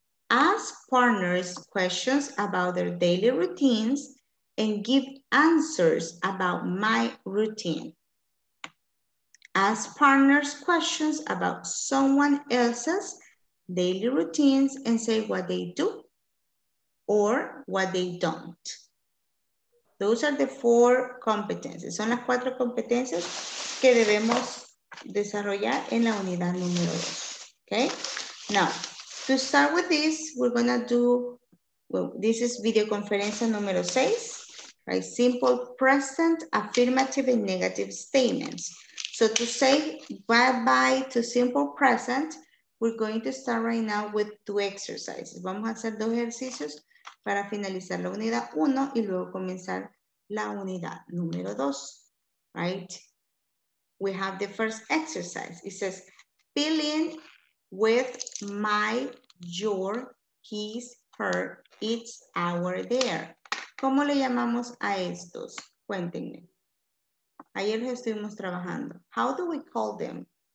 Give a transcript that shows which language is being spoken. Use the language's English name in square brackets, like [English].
[English] Ask partners questions about their daily routines and give answers about my routine. Ask partners questions about someone else's daily routines and say what they do or what they don't. Those are the 4 competencies. [Spanish] Son las 4 competencias que debemos desarrollar en la unidad número 2. [English] Okay? Now, to start with this, we're gonna do, well, this is [Spanish] video conferencia número 6, [English] right? Simple present, affirmative, and negative statements. So to say bye-bye to simple present, we're going to start right now with 2 exercises. [Spanish] Vamos a hacer 2 ejercicios para finalizar la unidad 1 y luego comenzar la unidad número 2, right? [English] We have the first exercise. It says, fill in with my, your, his, her, it's, our, their. [Spanish] ¿Cómo le llamamos a estos? Cuéntenme. Ayer estuvimos trabajando. [English] How do we call them?